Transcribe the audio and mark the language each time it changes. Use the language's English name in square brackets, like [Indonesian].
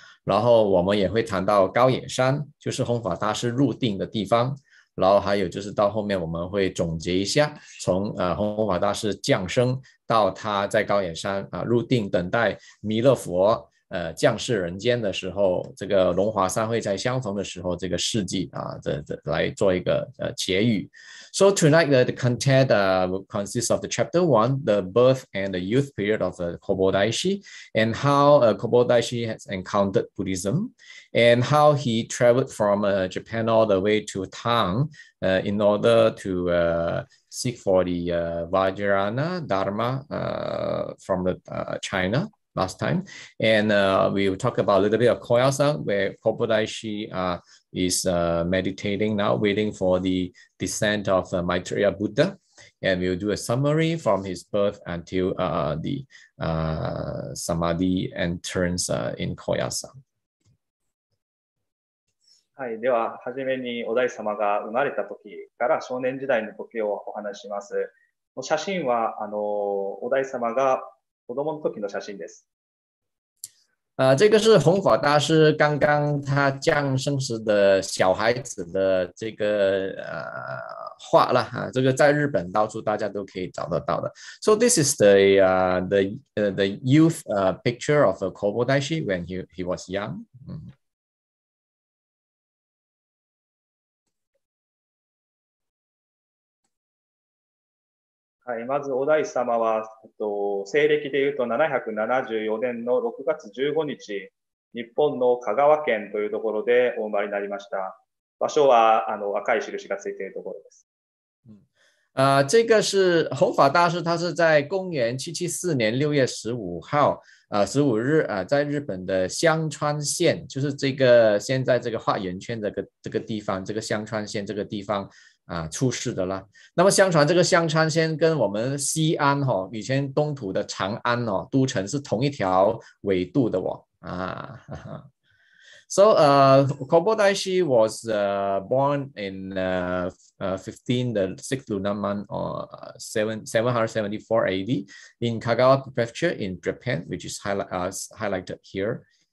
[Chinese] 然后我们也会谈到高野山，就是弘法大师入定的地方，然后还有就是到后面我们会总结一下，从弘法大师降生到他在高野山入定等待弥勒佛降世人间的时候，这个龙华三会在相逢的时候，这个事迹来做一个结语。 [English] So tonight, the content consists of the chapter one, the birth and the youth period of Kobo Daishi, and how Kobo Daishi has encountered Buddhism, and how he traveled from Japan all the way to Tang in order to seek for the Vajrayana Dharma from China last time. And we will talk about a little bit of Koyasan, where Kobo Daishi is meditating now, waiting for the descent of Maitreya Buddha. And we'll do a summary from his birth until the Samadhi enters in Koyasan. [Japanese] はい、では初めにお大師様が生まれた時から少年時代の時をお話します。写真はお大師様が子供の時の写真です。 [Chinese] 这个是弘法大师刚刚他降生时的小孩子的这个画了哈，这个在日本到处大家都可以找得到的。 [English] So this is the youth picture of a Kobodaishi when he was young。 [Japanese] はい、まずお大師様は、西暦でいうと774年の6月15日、日本の香川県というところでお生まれになりました。場所は赤い印がついているところです。 [Chinese] 这个是弘法大师，他是在公元774年6月15号，15日，在日本的香川县，就是这个现在这个画圆圈的这个地方，这个香川县这个地方出世的啦。那么相传这个香川县跟我们西安以前东土的长安都城是同一条纬度的哦啊。 [English] Kobodaishi was born in 15 the 6th lunar month or 774 AD in Kagawa Prefecture in Japan, which is highlighted here.